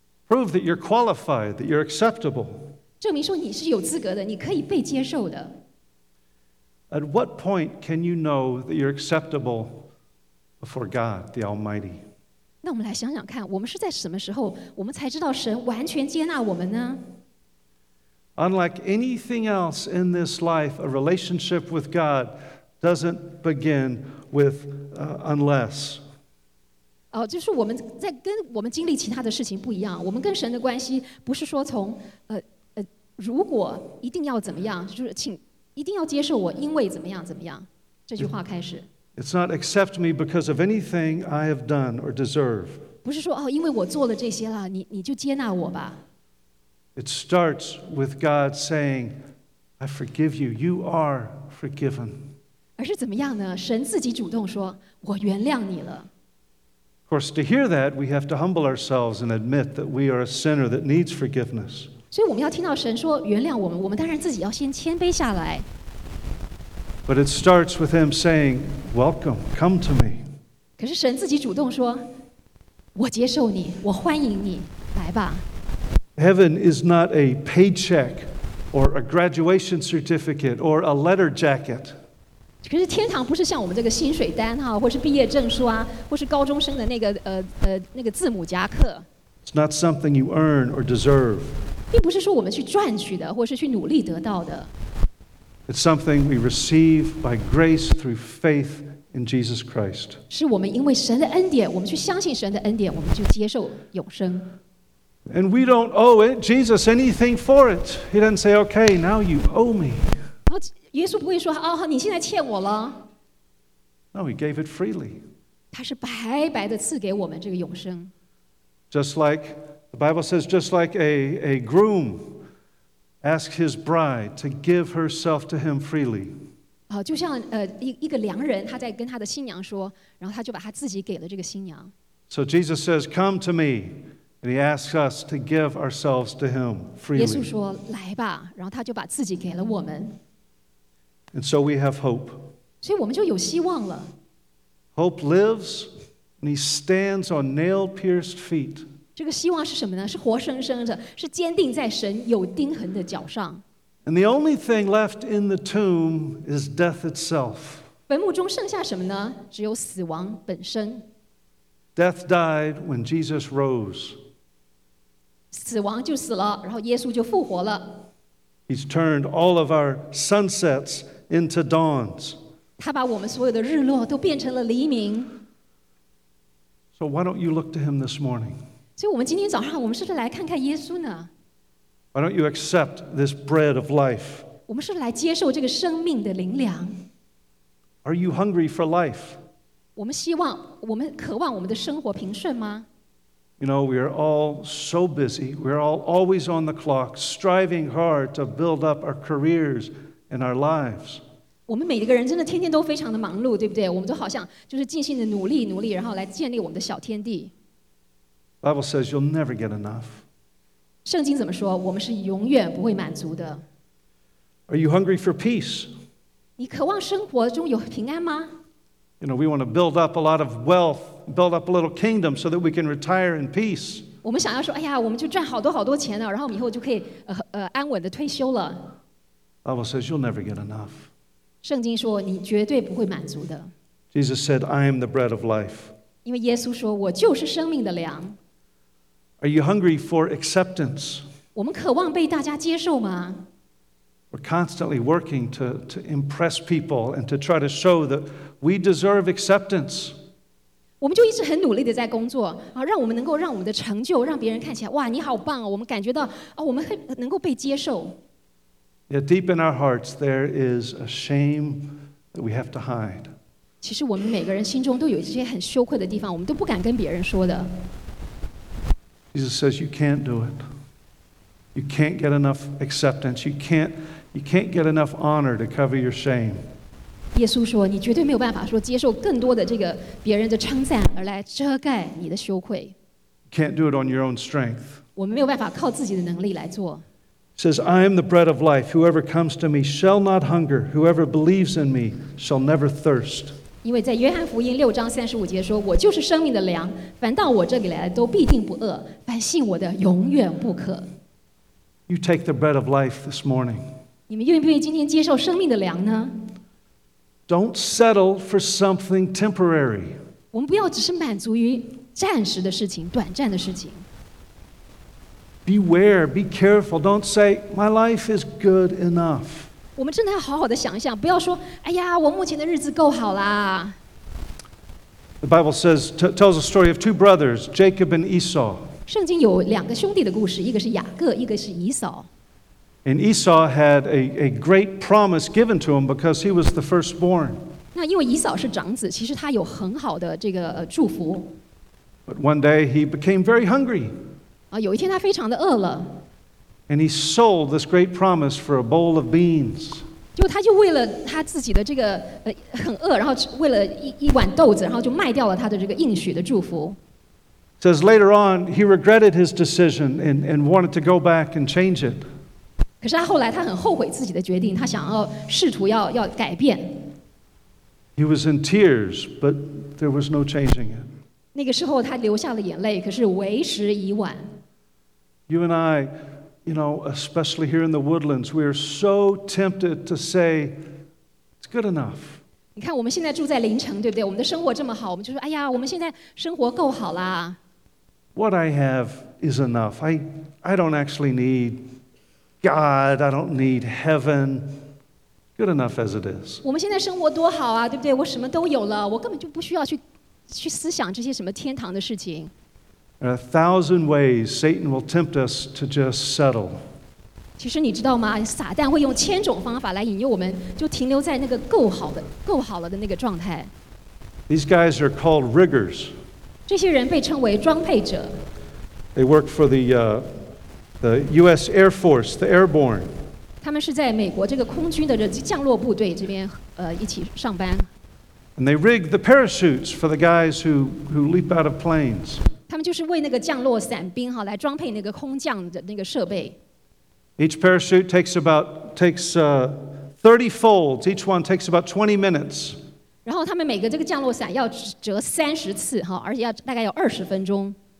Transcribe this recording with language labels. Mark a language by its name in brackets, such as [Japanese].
[English] Prove that you're qualified, that you're acceptable. [Chinese] 证明说你是有资格的，你可以被接受的。 [English] At what point can you know that you're acceptable before God, the Almighty? [Chinese] 那我们来想想看，我们是在什么时候，我们才知道神完全接纳我们呢？ [English] Unlike anything else in this life, a relationship with God doesn't begin with unless. [Chinese] 哦，就是我们在跟我们经历其他的事情不一样，我们跟神的关系不是说从如果一定要怎么样，就是请一定要接受我，因为怎么样怎么样这句话开始。 [English] It's not accept me because of anything I have done or deserve. [Chinese] 不是说哦，因为我做了这些了，你就接纳我吧。 [English] It starts with God saying, "I forgive you. You are forgiven." [Chinese] 而是怎么样呢？神自己主动说，我原谅你了。 [English] Of course, to hear that, we have to humble ourselves and admit that we are a sinner that needs forgiveness. [Chinese] 所以我们要听到神说原谅我们，我们当然自己要先谦卑下来。 [English] But it starts with him saying, "Welcome, come to me." [Chinese] 可是神自己主动说，我接受你，我欢迎你，来吧。 [English] Heaven is not a paycheck, or a graduation certificate, or a letter jacket. [Chinese] 可是天堂不是像我们这个薪水单哈，或是毕业证书啊，或是高中生的那个字母夹克。 [English] It's not something you earn or deserve. [Chinese] 并不是说我们去赚取的，或是去努力得到的。 [English] It's something we receive by grace through faith in Jesus Christ. [Chinese] 是我们因为神的恩典，我们去相信神的恩典，我们就接受永生。 [English] And we don't owe Jesus anything for it. He doesn't say, "Okay, now you owe me." [Chinese] 然后耶稣不会说，哦，你现在欠我了。 [English] No, he gave it freely. [Chinese] 他是白白的赐给我们这个永生。 [English] Just like the Bible says, just like a groom. Ask his bride to give herself to him freely. [Chinese] 就像一个良人，他在跟他的新娘说，然后他就把他自己给了这个新娘。 [English] So Jesus says, "Come to me," and he asks us to give ourselves to him freely. [Chinese] 耶稣说，来吧，然后他就把自己给了我们。 [English] And so we have hope. [Chinese] 所以我们就有希望了。 [English] Hope lives, and he stands on nail-pierced feet. [Chinese] 这个希望是什么呢？是活生生的，是坚定在神有钉痕的脚上。 [English] And the only thing left in the tomb is death itself. [Chinese] 坟墓中剩下什么呢？只有死亡本身。 [English] Death died when Jesus rose. [Chinese] 死亡就死了，然后耶稣就复活了。 [English] He's turned all of our sunsets into dawns. [Chinese] 他把我们所有的日落都变成了黎明。 [English] So why don't you look to him this morning? [Chinese] 所以我们今天早上我们是不是来看看耶稣呢 [English] Why don't you accept this bread of life? [Chinese] 我们是不是来接受这个生命的灵粮 [English] Are you hungry for life? [Chinese] 我们希望，我们渴望我们的生活平顺吗？ [English] You know, we are all so busy. We're all always on the clock, striving hard to build up our careers and our lives. [Chinese] 我们每一个人真的天天都非常的忙碌，对不对？我们都好像就是尽心的努力，然后来建立我们的小天地。 [English] Bible says you'll never get enough. [Chinese] 圣经怎么说？我们是永远不会满足的。 [English] Are you hungry for peace? [Chinese] 你渴望生活中有平安吗？ [English] You know, we want to build up a lot of wealth, build up a little kingdom so that we can retire in peace. [Chinese] 我们想要说，哎呀，我们就赚好多好多钱了，然后我们以后就可以安稳的退休了。 [English] Bible says you'll never get enough. [Chinese] 圣经说你绝对不会满足的。 [English] Jesus said, I am the bread of life. [Chinese] 因为耶稣说我就是生命的粮。 [English] Are you hungry for acceptance? [Chinese] 我们渴望被大家接受吗？ [English] We're constantly working to impress people and to try to show that we deserve acceptance. [Chinese] 我们就一直很努力的在工作，让我们能够让我们的成就让别人看起来，哇，你好棒哦！我们感觉到啊，我们能够被接受。 [English] Yet deep in our hearts, there is a shame that we have to hide. [Chinese] 其实我们每个人心中都有一些很羞愧的地方，我们都不敢跟别人说的。 [English] Jesus says, "You can't do it." You can't get enough acceptance. You can't get enough honor to cover your shame. [Chinese] 耶稣说，你绝对没有办法说接受更多的这个别人的称赞而来遮盖你的羞愧。 [English] Can't do it on your own strength. [Chinese] 我们没有办法靠自己的能力来做。 [English] It says, I am the bread of life. Whoever comes to me shall not hunger. Whoever believes in me shall never thirst. [Chinese] 因为在约翰福音六章三十五节说，我就是生命的粮，凡到我这里来都必定不饿，凡信我的永远不渴。 [English] You take the bread of life this morning. [Chinese] 你们愿不愿意今天接受生命的粮呢？ [English] Don't settle for something temporary. [Chinese] 我们不要只是满足于暂时的事情，短暂的事情。 [English] Beware, be careful. Don't say my life is good enough. [Chinese] 我们真的要好好的想一想，不要说，哎呀，我目前的日子够好啦。 [English] The Bible says tells a story of two brothers, Jacob and Esau. [Chinese] 圣经有两个兄弟的故事，一个是雅各，一个是以扫。 [English] And Esau had a great promise given to him because he was the firstborn. [Chinese] 那因为以扫是长子，其实他有很好的这个祝福。 [English] But one day he became very hungry. [Chinese] 有一天他非常的饿了。 [English] And he sold this great promise for a bowl of beans. [Chinese] 就他就为了他自己的这个很饿，然后为了一碗豆子，然后就卖掉了他的这个应许的祝福。 [English] Says later on, he regretted his decision and wanted to go back and change it. [Chinese] 可是他后来他很后悔自己的决定，他想要试图要改变。 [English] He was in tears, but there was no changing it. [Chinese] 那个时候他流下了眼泪，可是为时已晚。 [English] You and I, you know, especially here in the Woodlands, we are so tempted to say, "It's good enough." [Chinese] 你看我们现在住在林城，对不对？我们的生活这么好，我们就说，哎呀，我们现在生活够好啦。 [English] What I have is enough. I don't actually need God. I don't need heaven. Good enough as it is. [Chinese] 我们现在生活多好啊，对不对？我什么都有了，我根本就不需要去思想这些什么天堂的事情。 [English] There are a thousand ways Satan will tempt us to just settle. [Chinese] 其实你知道吗？撒旦会用千种方法来引诱我们，就停留在那个够好了的那个状态。 [English] These guys are called riggers. [Chinese] 这些人被称为装配者。 [English] They work for the U.S. Air Force, the Airborne. [Chinese] 他们是在美国这个空军的降落部队这边一起上班。 [English] And they rig the parachutes for the guys who leap out of planes. [Chinese] 他们就是为那个降落伞兵来装配那个空降的那个设备。 [English] Each parachute takes 30 folds. Each one takes about 20 minutes. [Chinese] 然后他们每个这个降落伞要折三十次，而且要大概要二十分钟。